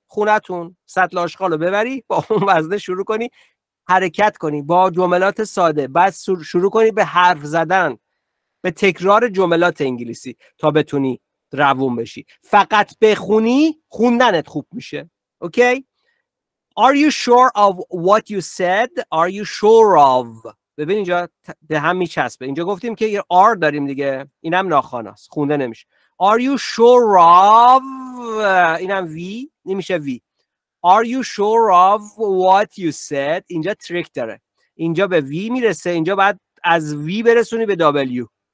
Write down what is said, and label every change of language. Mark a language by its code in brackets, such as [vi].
[fa] خونتون سطل آشغال رو ببری، با اون وزنه شروع کنی حرکت کنی با جملات ساده، بعد شروع کنی به حرف زدن، به تکرار جملات انگلیسی تا بتونی روون بشی. فقط بخونی خوندنت خوب میشه. [en] Okay? Are you sure of what you said? Are you sure of؟ [fa] ببین اینجا به هم میچسبه. اینجا گفتیم که یه آر داریم دیگه، اینم ناخواناست، خونده نمیشه. [en] Are you sure of؟ [fa] اینم وی نمیشه وی. [en] Are you sure of what you said؟ [fa] اینجا تریک داره، اینجا به وی میرسه، اینجا بعد از وی برسونی به دابلیو.